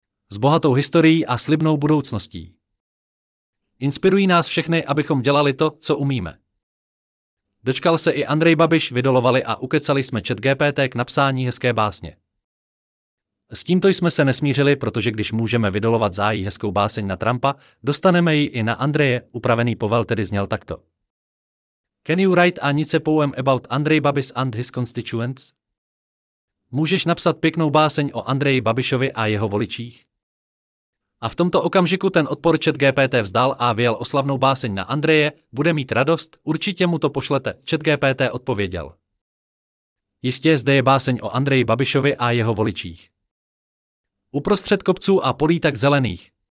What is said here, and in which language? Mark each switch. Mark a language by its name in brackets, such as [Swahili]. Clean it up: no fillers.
[Czech] S bohatou historií a slibnou budoucností. Inspirují nás všechny, abychom dělali to, co umíme. Dočkal se i Andrej Babiš, vydolovali a ukecali jsme ChatGPT k napsání hezké básně. S tímto jsme se nesmířili, protože když můžeme vydolovat zájí hezkou báseň na Trumpa, dostaneme ji i na Andreje, upravený povel tedy zněl takto. [English] Can you write a nice poem about Andrej Babiš and his constituents? [Czech] Můžeš napsat pěknou báseň o Andreji Babišovi a jeho voličích? A v tomto okamžiku ten odpor ChatGPT vzdal a vyjel oslavnou báseň na Andreje, bude mít radost, určitě mu to pošlete, ChatGPT odpověděl. Jistě zde je báseň o Andreji Babišovi a jeho voličích. Uprostřed kopců a polí tak zelených.